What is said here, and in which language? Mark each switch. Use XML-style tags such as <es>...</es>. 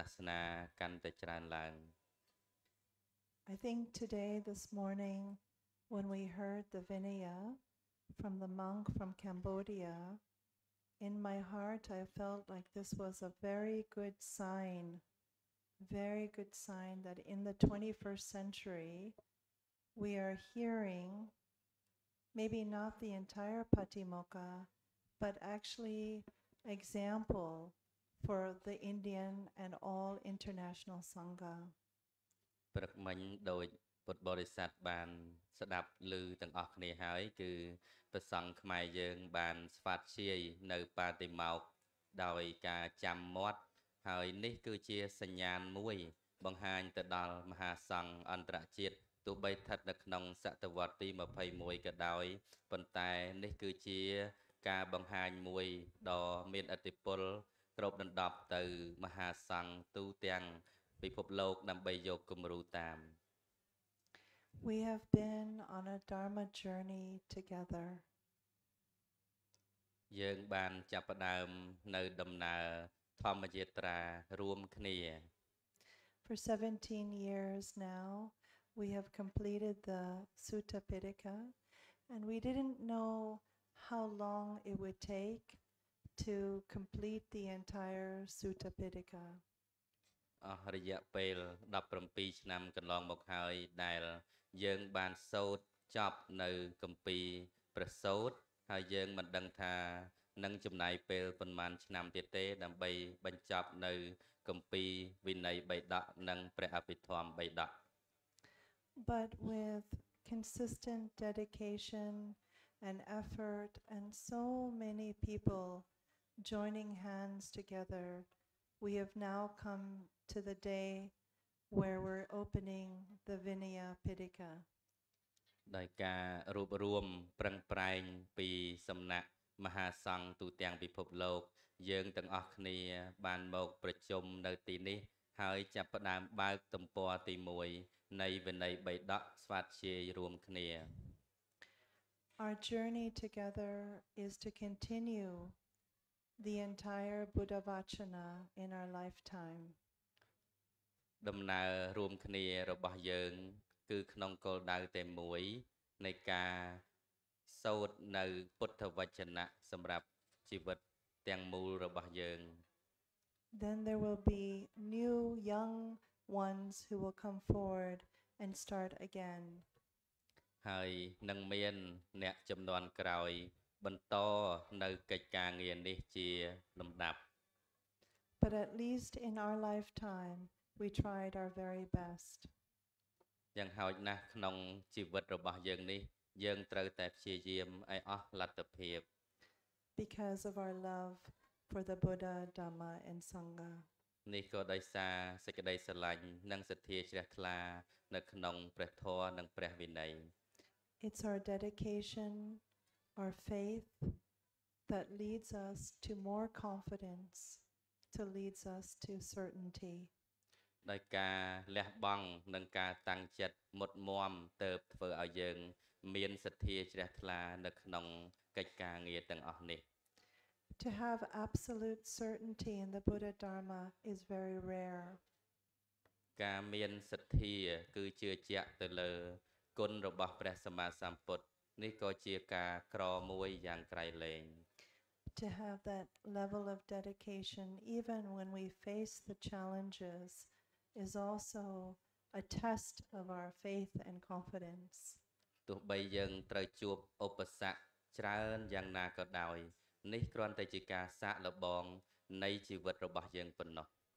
<km>នៅពេលដែលឥណ្ឌាធ្វើជាម្ចាស់ផ្ទះក្នុងការរៀបចំពិធីសោតប្រត្រៃបេដកបន្ទាប់ពីខ្មែរឥណ្ឌានឹងបានកាន់តែជ្រួតជ្រាបអំពីព្រះពុទ្ធសាសនាកាន់តែច្រើនឡើង</km> <en>I think today this morning when we heard the vinaya from the monk from Cambodia in my heart I felt like this was a very good sign that in the 21st century we are hearing maybe not the entire Patimokkha but actually example for the Indian and all international Sangha.</en> <km>ព្រឹកមិញដោយពុទ្ធបរិស័ទបានស្ដាប់ឮទាំងអស់គ្នាហើយគឺប្រសង់ខ្មែរយើងបានស្វាតជាយនៅបាតិមោកដោយការចាំមាត់ហើយនេះគឺជាសញ្ញាណមួយបង្ហាញទៅដល់មហាសង្ឃអន្តរជាតិទោះបីស្ថិតនៅក្នុងសតវត្សទី21ក៏ដោយប៉ុន្តែនេះគឺជា ការបង្ហាញមួយដ៏មានឥទ្ធិពលគ្របដណ្ដប់ទៅមហាសង្ឃទូទាំងពិភពលោកដើម្បីយកគំរូតាម</km> <en>We have been on a dharma journey together.</en> <km>យើងបានចាប់ផ្ដើមនៅដំណើរធម្មយាត្រារួមគ្នា</km> <en>For 17 years now, we have completed the Sutta Pitaka and we didn't know how long it would take to complete the entire Sutta Pitaka.</en> <km>អស់រយៈពេល17ឆ្នាំកន្លងមកហើយដែលយើងបានសូត្រចប់នៅគម្ពីរប្រសូតហើយយើងមិនដឹងថានឹងចំណាយពេលប៉ុន្មានឆ្នាំទៀតទេដើម្បីបញ្ចប់នៅគម្ពីរវិន័យបៃតងនិងព្រះអភិធម្មបៃតង</km> <en>But with consistent dedication and effort and so many people joining hands togetherWe have now come to the day where we're opening the Vinaya Pitaka.</en> <km>ដោយការរួបរួមប្រឹងប្រែងពីសំណាក់មហាសង្ឃទូទាំងពិភពលោកយើងទាំងអស់គ្នាបានមកប្រជុំនៅទីនេះហើយចាប់ផ្ដើមបើកទំព័រទី1នៃវិន័យបៃតងស្វាធ្យាយរួមគ្នា</km> <en>Our journey together is to continueThe entire Buddha Vachana in our lifetime.</en> <km>ដំណើររួមគ្នារបស់យើងគឺក្នុងគោលដៅតែមួយនៃការសូត្រនៅពុទ្ធវចនៈសម្រាប់ជីវិតទាំងមូលរបស់យើង</km> <en>Then there will be new young ones who will come forward and start again.</en> <km>ហើយនឹងមានអ្នកចំនួនក្រោយបន្តនៅកិច្ចការងារនេះជាលំដាប់</km> <en>But at least in our lifetime we tried our very best</en> <km>យ៉ាងហោចណាស់ក្នុងជីវិតរបស់យើងនេះយើងត្រូវតែព្យាយាមឲ្យអស់លទ្ធភាព</km> <en>Because of our love for the Buddha Dhamma and Sangha</en> <km>នេះក៏ដោយសារសេចក្តីស្រឡាញ់និងសទ្ធាជ្រះថ្លានៅក្នុងព្រះធម៌និងព្រះវិន័យ</km> <en>It's our dedicationOur faith that leads us to more confidence, to leads us to certainty.</en> <km>ដោយការលះបង់និងការតាំងចិត្តមុតមមទៅធ្វើឲ្យយើងមានសទ្ធាជ្រះថ្លានៅក្នុងកិច្ចការងារទាំងអស់នេះ</km> <en>To have absolute certainty in the Buddha Dharma is very rare.</en> <km>ការមានសទ្ធាគឺជឿជាក់ទៅលើគុណរបស់ព្រះសម្មាសម្ពុទ្ធនេះក៏ជាការក្រមួយយ៉ាងក្រៃលែង</km> <en>To have that level of dedication even when we face the challenges is also a test of our faith and confidence</en> <km>ទោះបីយើងត្រូវជួបឧបសគ្គច្រើនយ៉ាងណាក៏ដោយនេះគ្រាន់តែជាការសាកល្បងនៃជីវិតរបស់យើងប៉ុណ្ណោះ</km>